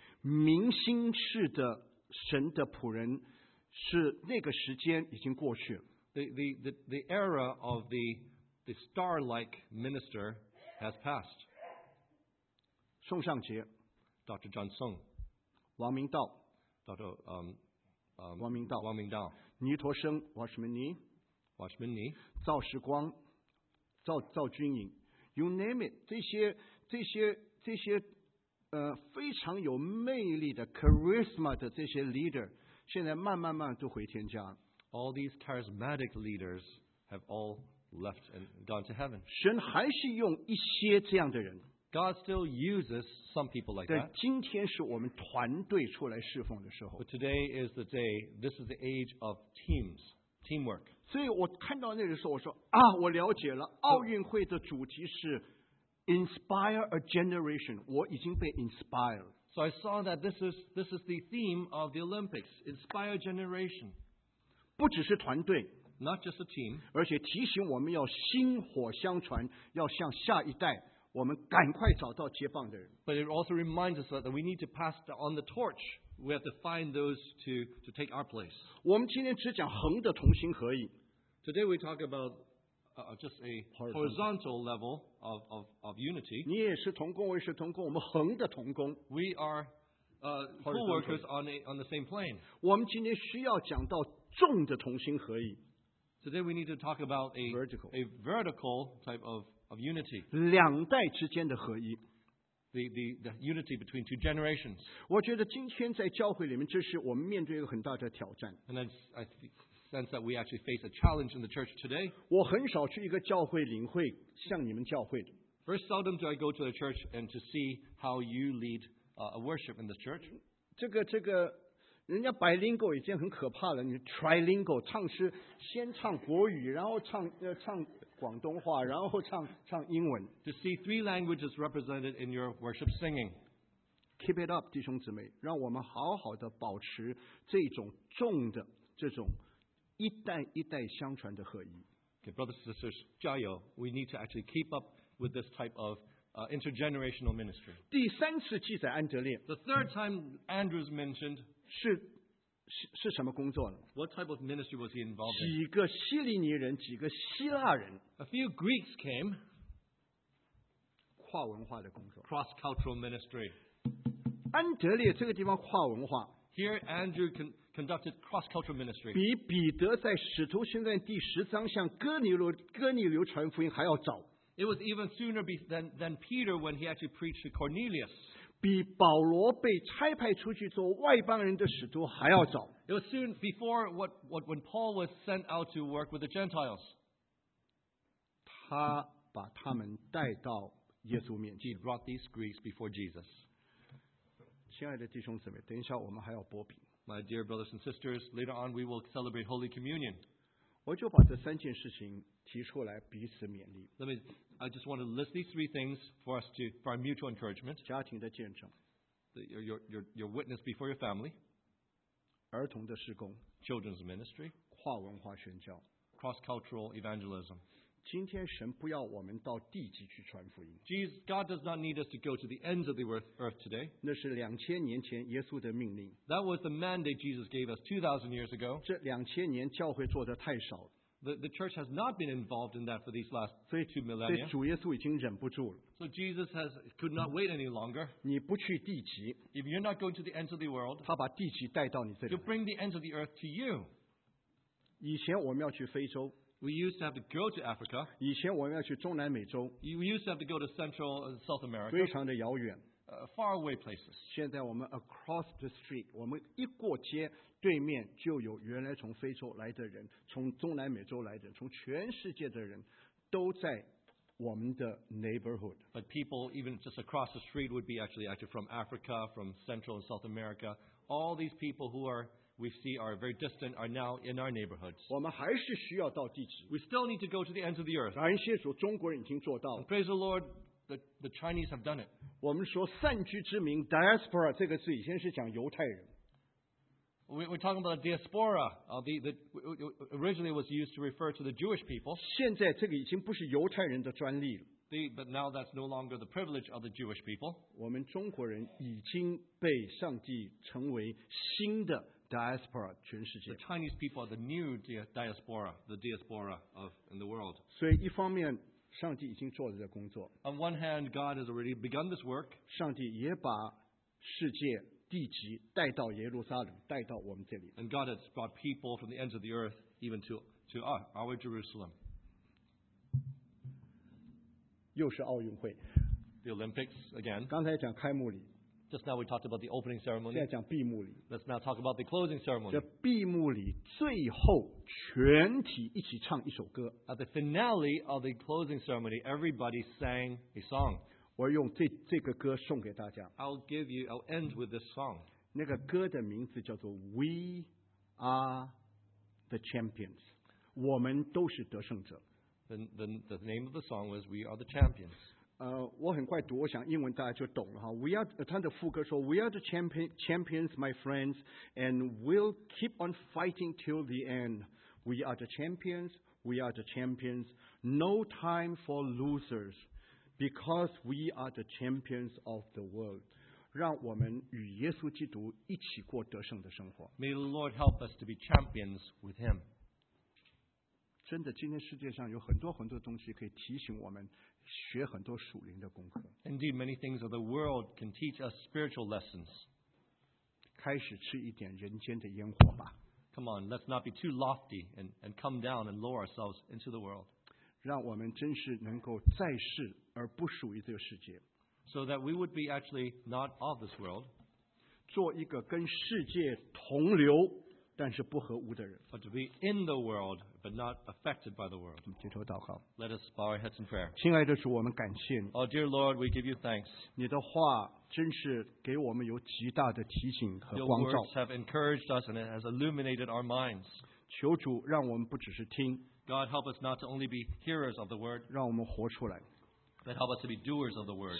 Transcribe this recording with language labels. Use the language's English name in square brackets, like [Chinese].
[Chinese] 明星式的神的仆人是那个时间已经过去了。 [English] The era of the star-like minister has passed. [Chinese] 宋尚杰 [English] Dr. John Song, [Chinese] 王明道 [English] Dr. [Chinese] 王明道王明道尼陀生 Washmini, [English] Washmini, [Chinese] 赵时光 赵军营 [English] You name it, [Chinese] 这些非常有魅力的 charisma 的这些 leader, 现在慢慢慢都回天家。 [English] All these charismatic leaders have all left and gone to heaven. [Chinese] 神还是用一些这样的人。 [English] God still uses some people like that. [Chinese] 但今天是我们团队出来侍奉的时候。 [English] But today is the day. This is the age of teams, teamwork. [Chinese] 所以我看到那个时候，我说啊，我了解了。奥运会的主题是 [English] inspire a generation. [Chinese] 我已经被 inspired. [English] So I saw that this is the theme of the Olympics. Inspire generation. [Chinese] 不只是团队 [English] Not just a team, [Chinese] 而且提醒我们要薪火相传要向下一代我们赶快找到接棒的人 [English] But it also reminds us that we need to pass on the torch We have to find those to take our place [Chinese] 我们今天只讲横的同心合意 [English] Today we talk about just a horizontal level of unity [Chinese] 你也是同工我也是同工我们横的同工 [English] We are co-workers on the same plane [Chinese] 我们今天需要讲到重的同心合意。 [English] Today we need to talk about a vertical type of unity. [Chinese] 两代之间的合一。 [English] The unity between two generations. [Chinese] 我觉得今天在教会里面，这是我们面对一个很大的挑战。 [English] And I sense that we actually face a challenge in the church today. [Chinese] 我很少去一个教会领会像你们教会的。 [English] Very seldom do I go to a church and to see how you lead a worship in the church. [Chinese] 这个。人家 bilingual 已经很可怕了，你 trilingual 唱诗，先唱国语，然后唱广东话，然后唱英文。 [English] To see three languages represented in your worship singing, keep it up, [Chinese] 弟兄姊妹，让我们好好的保持这种重的这种一代一代相传的合一。 [English] Okay, brothers and sisters, [Chinese] 加油 [English] ！We need to actually keep up with this type of intergenerational ministry. [Chinese] 第三次记载安德烈。 [English] The third time Andrew's mentioned. [Chinese] 是什么工作呢 [English] ？What type of ministry was he involved in？ [Chinese] 几个希利尼人，几个希腊人。 [English] A few Greeks came。 [Chinese] 跨文化的工作。 [English] Cross-cultural ministry。 [Chinese] 安德烈这个地方跨文化。 [English] Here Andrew conducted cross-cultural ministry。 [Chinese] 比彼得在使徒行传第十章向哥尼流传福音还要早。 [English] It was even sooner than Peter when he actually preached to Cornelius。 [Chinese] 比保罗被差派出去做外邦人的使徒还要早。 [English] It was soon before when Paul was sent out to work with the Gentiles. [Chinese] 他把他们带到耶稣面前。 [English] He brought these Greeks before Jesus. [Chinese] 亲爱的弟兄姊妹，等一下我们还要擘饼。 [English] My dear brothers and sisters, later on we will celebrate Holy Communion. [Chinese] 我就把这三件事情提出来彼此勉励。 [English] I just want to list these three things for our mutual encouragement. [Chinese] 家庭的见证 [English] your witness before your family. [Chinese] 儿童的事工 [English] Children's ministry. [Chinese] 跨文化宣教 [English] Cross-cultural evangelism. [Chinese] 今天神不要我们到地极去传福音。 [English] Jesus, God does not need us to go to the ends of the earth today. [Chinese] 那是两千年前耶稣的命令。 [English] That was the mandate Jesus gave us 2,000 years ago. [Chinese] 这两千年教会做得太少了。 [English] The church has not been involved in that for these last 2 millennia. [Chinese] 主耶稣已经忍不住了。 [English] So Jesus could not wait any longer. [Chinese] 你不去地极。 [English] If you're not going to the ends of the world, [Chinese] 他把地极带到你这里。 [English] He'll bring the ends of the earth to you. [Chinese] 以前我们要去非洲。 [English] We used to have to go to Africa. [Chinese] 以前我们要去中南美洲。 [English] We used to have to go to Central and South America. [Chinese] 非常的遥远。 [English] Far away places. [Chinese] 现在我们 [English] across the street, [Chinese] 我们一过街，对面就有原来从非洲来的人，从中南美洲来的人，从全世界的人，都在我们的 neighborhood. [English] But people even just across the street would be actually from Africa, from Central and South America. All these people who are... we see are very distant are now in our neighborhoods. [Chinese] 我们还是需要到地极。 [English] We still need to go to the ends of the earth. [Chinese] 感谢主，中国人已经做到了。 [English] Praise the Lord, the Chinese have done it. [Chinese] 我们说散居之民 diaspora 这个字以前是讲犹太人。 [English] We're talking about diaspora. Originally it was used to refer to the Jewish people. [Chinese] 现在这个已经不是犹太人的专利了。 [English] But now that's no longer the privilege of the Jewish people. [Chinese] 我们中国人已经被上帝成为新的。 Diaspora, 全世界。 [English] The Chinese people are the new diaspora, the diaspora of in the world. [Chinese] 所以一方面，上帝已经做了这工作。 [English] On one hand, God has already begun this work. [Chinese] 上帝也把世界地极带到耶路撒冷，带到我们这里。 [English] And God has brought people from the ends of the earth even to our Jerusalem. [Chinese] 又是奥运会。 [English] The Olympics again. [Chinese] 刚才讲开幕礼。 [English] Just now we talked about the opening ceremony. [Chinese] 现在讲闭幕礼。 [English] Let's now talk about the closing ceremony. [Chinese] 这闭幕礼最后全体一起唱一首歌。 [English] At the finale of the closing ceremony, everybody sang a song. [Chinese] 我用这个歌送给大家。 [English] I'll end with this song. [Chinese] 那个歌的名字叫做 [English] We Are the Champions. [Chinese] 我们都是得胜者。 [English] The name of the song was We Are the Champions. [Chinese] 我很快读，我想英文大家就懂了哈。 [English] We are [Chinese] 他的副歌说 [English] ，We are the champions, my friends, and we'll keep on fighting till the end. We are the champions, we are the champions. No time for losers, because we are the champions of the world. [Chinese] 让我们与耶稣基督一起过得胜的生活。 [English] May the Lord help us to be champions with Him. [Chinese] 真的，今天世界上有很多很多东西可以提醒我们学很多属灵的功课。 [English] Indeed, many things of the world can teach us spiritual lessons. [Chinese] 开始吃一点人间的烟火吧。 [English] Come on, let's not be too lofty and come down and lower ourselves into the world. [Chinese] 让我们真是能够在世而不属于这个世界。 [English] So that we would be actually not of this world. [Chinese] 做一个跟世界同流。但是不合污的人。 [English] But to be in the world, but not affected by the world. [Chinese] 我们低头祷告。 [English] Let us bow our heads in prayer. [Chinese] 亲爱的主，我们感谢你。 [English] Oh, dear Lord, we give you thanks. [Chinese] 你的话真是给我们有极大的提醒和光照。 [English] Your words have encouraged us and it has illuminated our minds. [Chinese] 求主让我们不只是听。 [English] God, help us not to only be hearers of the word. [Chinese] 让我们活出来。 [English] But help us to be doers of the word.